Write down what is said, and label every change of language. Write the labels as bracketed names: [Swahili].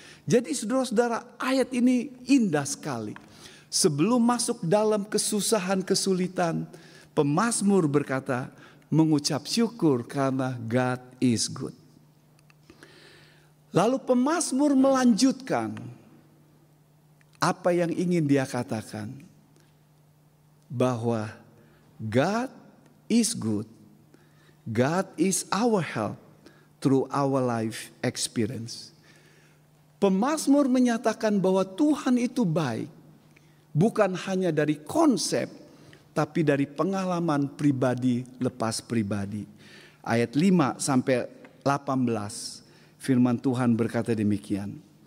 [Indonesian] Jadi saudara-saudara, ayat ini indah sekali. Sebelum masuk dalam kesusahan, kesulitan, pemazmur berkata, mengucap syukur karena [English] God is good. [Indonesian] Lalu pemazmur melanjutkan apa yang ingin dia katakan, bahwa [English] God is good. God is our help through our life experience. [Indonesian] Pemazmur menyatakan bahwa Tuhan itu baik, bukan hanya dari konsep, tapi dari pengalaman pribadi lepas pribadi. Ayat 5 sampai 18. Firman Tuhan berkata demikian.